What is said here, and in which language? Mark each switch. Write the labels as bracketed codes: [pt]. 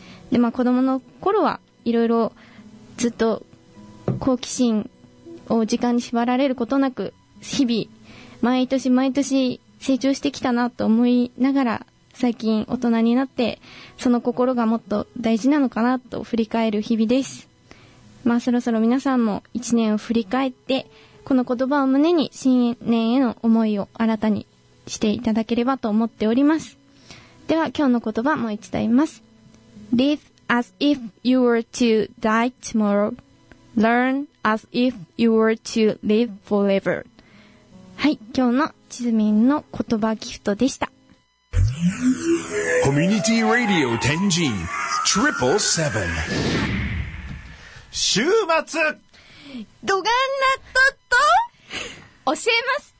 [ja] で、まあ子供の頃はいろいろずっと好奇心を時間に縛られることなく日々毎年毎年成長してきたなと思いながら、最近大人になってその心がもっと大事なのかなと振り返る日々です。まあそろそろ皆さんも一年を振り返って、この言葉を胸に新年への思いを新たにしていただければと思っております。では今日の言葉もう一度言います。 [en] Live as if you were to die tomorrow. Learn as if you were to live forever. [ja] はい、今日のチズミンの言葉ギフトでした。コミュニティラディオ 10G777。週末ドガンナットと教えます。